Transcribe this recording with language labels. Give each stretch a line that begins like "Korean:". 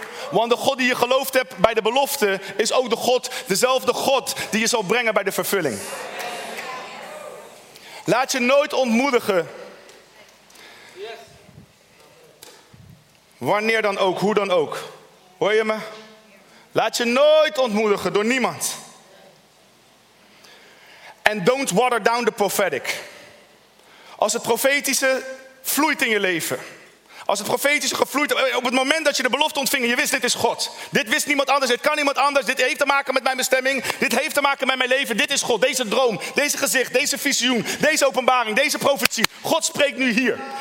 Dutch: Want de God die je geloofd hebt bij de belofte, is ook de God, dezelfde God die je zal brengen bij de vervulling. Laat je nooit ontmoedigen. Wanneer dan ook, hoe dan ook. Hoor je me? Laat je nooit ontmoedigen door niemand.
English: En don't water down the prophetic.
Dutch: Als het profetische vloeit in je leven. Als het profetische gevloeid, op het moment dat je de belofte ontving, je wist dit is God. Dit wist niemand anders, dit kan niemand anders, dit heeft te maken met mijn bestemming. Dit heeft te maken met mijn leven, dit is God. Deze droom, deze gezicht, deze visioen, deze openbaring, deze profetie. God spreekt nu hier.